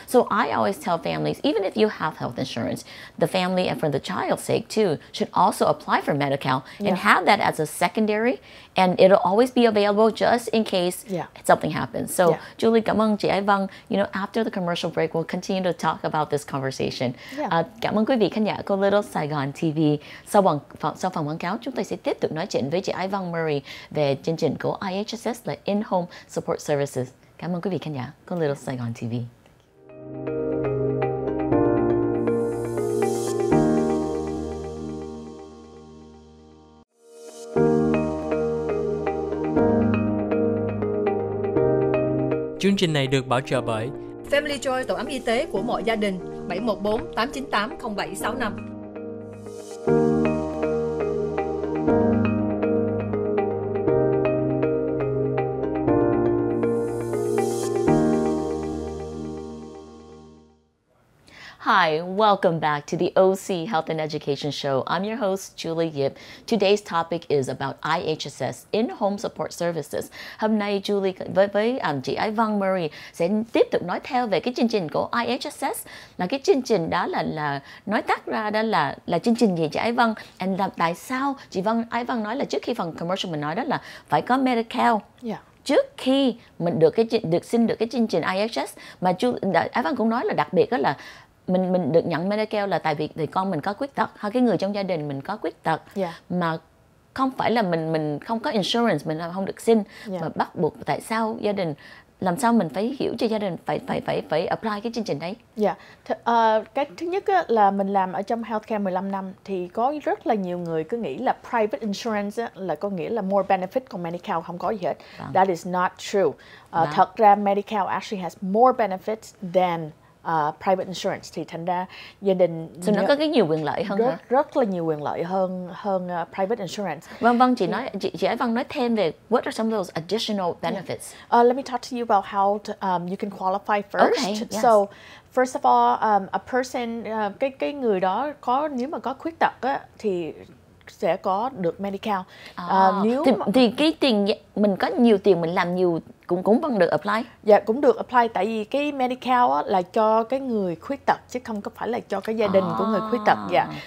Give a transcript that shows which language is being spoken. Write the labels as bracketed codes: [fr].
[en] So I always tell families, even if you have health insurance, the family and for the child's sake too, should also apply for Medi-Cal and have that as a secondary. And it'll always be available just in case something happens. So Julie, [vi] cảm ơn chị Ái Vân. [en] You know, after the commercial break, we'll continue to talk about this conversation. [vi] Cảm ơn quý vị khán giả của Little Saigon TV. Sau phần quảng cáo, chúng tôi sẽ tiếp tục nói chuyện với chị Ái Vân Murray về chương trình của IHSS là In-Home Support Services. Cảm ơn quý vị khán giả của Little Saigon TV. Chương trình này được bảo trợ bởi Family Joy, tổ ấm y tế của mọi gia đình, 714-898-0765. [en] Hi, welcome back to the OC Health and Education Show. I'm your host, Julie Yip. Today's topic is about IHSS, in-home support services. [vi] Hôm nay Julie với chị Ái Vân Murray sẽ tiếp tục nói theo về cái chương trình của IHSS. Là cái chương trình đó là nói tắt ra đó là chương trình gì chị Ái Vân? And là tại sao chị Vân Ái Vân nói là trước khi phần commercial mình nói đó là phải có Medi-Cal. [en] Yeah. [vi] Trước khi mình được xin cái chương trình IHSS mà Ái Vân cũng nói là đặc biệt đó là mình được nhận Medi-Cal là tại vì thì con mình có khuyết tật hay cái người trong gia đình mình có khuyết tật, [en] yeah. [vi] Mà không phải là mình không có insurance, mình không được xin, [en] yeah. [vi] Mà bắt buộc tại sao gia đình, làm sao mình phải hiểu cho gia đình phải apply cái chương trình đấy? Cái thứ nhất á, là mình làm ở trong healthcare 15 năm thì có rất là nhiều người cứ nghĩ là private insurance á, là có nghĩa là [en] more benefit, [vi] còn Medi-Cal không có gì hết. [en] That is not true. [vi] Thật ra [en] Medi-Cal actually has more benefits than private insurance, [vi] thì thành ra gia đình thì nó có cái nhiều quyền lợi hơn, rất là nhiều quyền lợi hơn [en] private insurance. [vi] Vâng, chị nói, chị Ái Vân nói thêm về [en] what are some of those additional benefits? Yeah. Let me talk to you about how to, you can qualify first. Okay, yes. So first of all, a person, [vi] cái người đó có, nếu mà có khuyết tật á, thì sẽ có được Medi-Cal. Thì cái tiền mình có nhiều tiền mình làm nhiều cũng vẫn được apply. Dạ cũng được apply, tại vì cái Medi-Cal á là cho cái người khuyết tật chứ không có phải là cho cái gia đình của người khuyết tật. Dạ.